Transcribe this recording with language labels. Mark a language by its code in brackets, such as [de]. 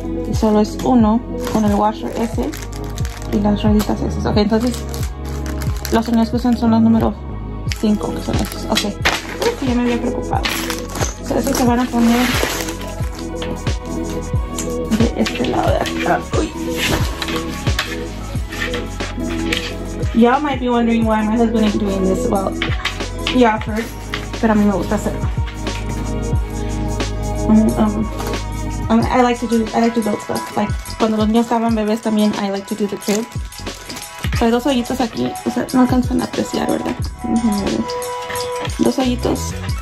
[es] Y solo es uno con el washer S y las rueditas S. Ok, entonces los tornillos que usan son los números 5, que son estos. Ok, creo que ya me había preocupado. So, esos se van a poner de este lado de acá. Uy. [en] Y'all might be wondering why my husband ain't doing this. Well, he offered, [es] pero a mí me gusta hacerlo. [en] I like to build stuff. Like, [es] cuando los niños estaban bebés también, [en] I like to do the crib. So, [es] hay dos hoyitos aquí. O sea, no alcanzan a apreciar, ¿verdad? Dos hoyitos.